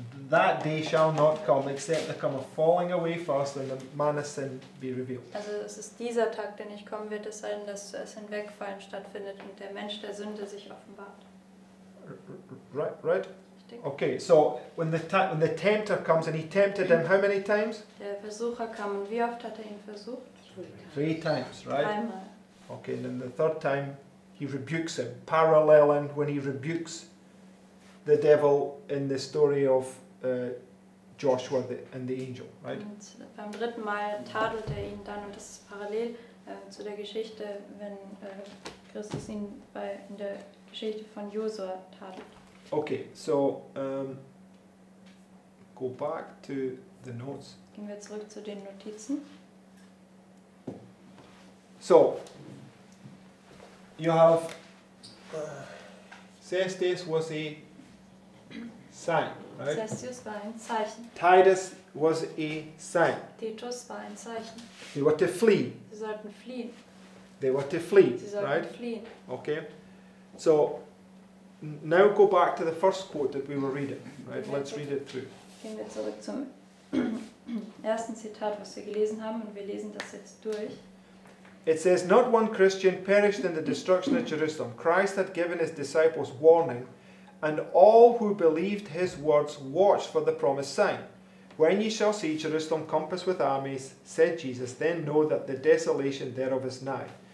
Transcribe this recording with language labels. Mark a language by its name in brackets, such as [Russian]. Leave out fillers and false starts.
[English] That day shall not come, except there come a falling away first, and the man of sin be revealed. [German] Also, es ist dieser Tag, der nicht kommen wird, es sei denn, dass es ein Wegfallen stattfindet und der Mensch der Sünde sich offenbart. [English] Right. Okay. So when the tempter comes and he tempted him, how many times? [German] Der Versucher kam und wie oft hat er ihn versucht? [English] Three times, right? [German] Dreimal. [English] Okay, and then the third time. He rebukes him, paralleling when he rebukes the devil in the story of Joshua and the angel, right? [German] Und beim dritten Mal tadelt er ihn dann, und das ist parallel zu der Geschichte, wenn Christus ihn in der Geschichte von Joshua tadelt. [English] Okay, so go back to the notes. [German] Gehen wir zurück zu den Notizen. [English] So, you have Cestius was a sign, right? [German] Celsius war ein Zeichen. [English] Titus was a sign. [German] Titus war ein Zeichen. [English] They were to flee. [German] Sie sollten fliehen. [English] They were to flee, [German] sie sollten [English] right? [German] Fliehen. [English] Okay. So now go back to the first quote that we were reading. Right? Let's read it through. [German] Gehen wir zurück zum ersten Zitat, was wir gelesen haben, und wir lesen das jetzt durch. [English] It says, not one Christian perished in the destruction of Jerusalem. Christ had given his disciples warning, and all who believed his words watched for the promised sign. When ye shall see Jerusalem compassed with armies, said Jesus, then know that the desolation thereof is nigh.